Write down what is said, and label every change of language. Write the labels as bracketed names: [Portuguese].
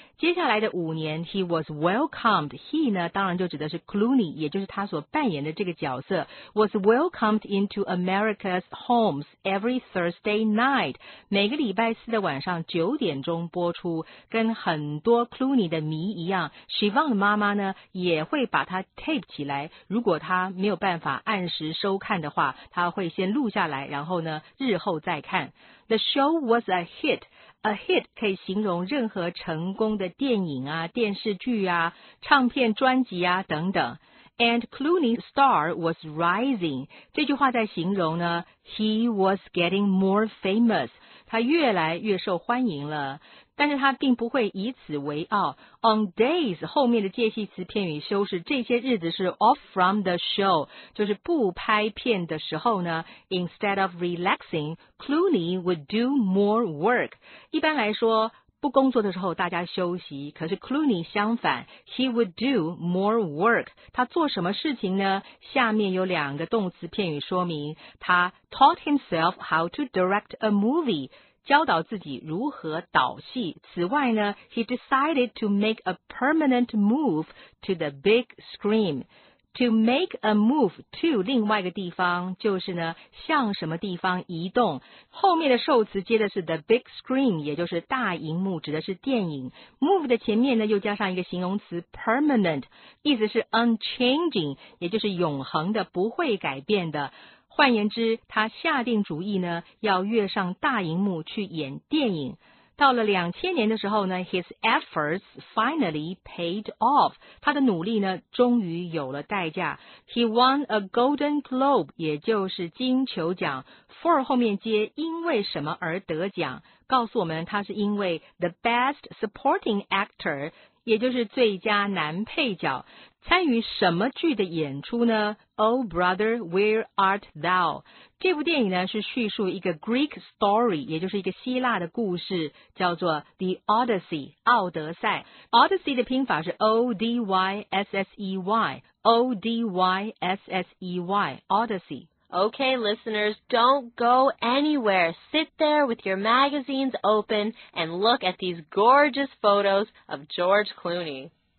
[Chinese] 接下来的五年 ， [English] he was welcomed， [Chinese] he 呢当然就指的是 Clooney， 也就是他所扮演的这个角色 ， [English] was welcomed into America's homes every Thursday night， [Chinese] 每个礼拜四的晚上9点钟播出，跟很多 Clooney 的迷一样 ，Siobhan 的妈妈呢也会把他 tape 起来，如果他没有办法按时收看的话，他会先录下来，然后呢，日后再看。 [English] The show was a hit. [Chinese] A hit 可以形容任何成功的电影啊、电视剧啊、唱片、专辑啊等等。 [English] And Clooney's star was rising. [Chinese] 这句话在形容呢 ， [English] he was getting more famous. [Chinese] 他越来越受欢迎了。但是他并不会以此为傲。On days 后面的介系词片语修饰，这些日子是 off from the show， 就是不拍片的时候呢。 [English] Instead of relaxing, Clooney would do more work。 [Chinese] 一般来说不工作的时候大家休息，可是 Clooney 相反， [English] he would do more work， [Chinese] 他做什么事情呢？下面有两个动词片语说明，他 [English] taught himself how to direct a movie， [Chinese] 教导自己如何导戏。此外呢， [English] he decided to make a permanent move to the big screen。 [Chinese] To make a move to 另外一个地方，就是呢向什么地方移动，后面的受词接的是 the big screen， 也就是大荧幕，指的是电影。 move 的前面呢又加上一个形容词 permanent， 意思是 unchanging， 也就是永恒的，不会改变的。换言之，他下定主意呢要跃上大荧幕去演电影。到了2000年的时候呢， [English] his efforts finally paid off， [Chinese] 他的努力呢终于有了代价。 [English] He won a golden globe， [Chinese] 也就是金球奖， for 后面接因为什么而得奖，告诉我们他是因为 the best supporting actor， 也就是最佳男配角。参与什么剧的演出呢？ Oh Brother Where Art Thou， 这部电影呢是叙述一个 Greek story， 也就是一个希腊的故事，叫做 The Odyssey， 奥德赛。 Odyssey 的拼法是 O-D-Y-S-S-E-Y， O-D-Y-S-S-E-Y， Odyssey。 [English] Okay listeners, don't go anywhere. Sit there with your magazines open and look at these gorgeous photos of George Clooney.